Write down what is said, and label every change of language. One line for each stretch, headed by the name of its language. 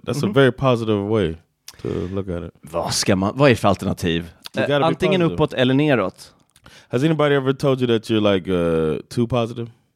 English: That's a very positive way to look at it.
Swedish: Vad är för alternativ? Antingen uppåt eller neråt.
English: Has anybody ever told you that you're like too positive?